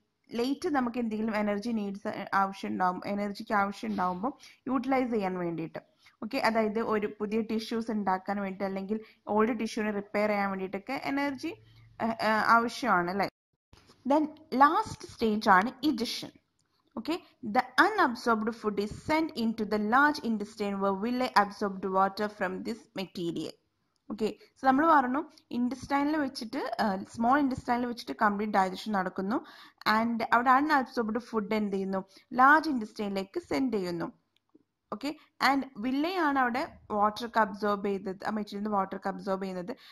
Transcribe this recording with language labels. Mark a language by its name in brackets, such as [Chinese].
[Malayalam] Late നമുക്ക് എന്തെങ്കിലും energy needs ആവശ്യം ഉണ്ടാകും, എനർജിക്ക് ആവശ്യം ഉണ്ടാകുമ്പോൾ യൂട്ടിലൈസ് ചെയ്യാൻ വേണ്ടിയിട്ട്. ഓക്കെ. അതായത് ഒരു പുതിയ ടിഷ്യൂസ് ഉണ്ടാക്കാൻ വേണ്ടിയിട്ട് അല്ലെങ്കിൽ ഓൾഡ് ടിഷ്യൂവിനെ റിപ്പയർ ചെയ്യാൻ വേണ്ടിയിട്ടൊക്കെ എനർജി ആവശ്യമാണ് അല്ലേ. [English] Then last stage ആണ് addition. Okay, the unabsorbed food is sent into the large intestine where will absorb water from this material. [Malayalam] Okay, so നമ്മൾ പറഞ്ഞു ഇൻഡസ്റ്റൈനിൽ വെച്ചിട്ട് സ്മോൾ ഇൻഡസ്റ്റൈനിൽ വെച്ചിട്ട് കംപ്ലീറ്റ് ഡൈജഷൻ നടക്കുന്നു. ആൻഡ് അവിടെ അൺഅബ്സോർബ്ഡ് ഫുഡ് എന്ത് ചെയ്യുന്നു? ലാർജ് ഇൻഡസ്റ്റൈനിലേക്ക് സെൻഡ് ചെയ്യുന്നു. ഓക്കെ. ആൻഡ് വില്ലയാണ് അവിടെ വാട്ടർക്ക് അബ്സോർബ് ചെയ്തത്, ആ മെറ്റീരിയൽ വാട്ടർക്ക് അബ്സോർബ് ചെയ്യുന്നത്.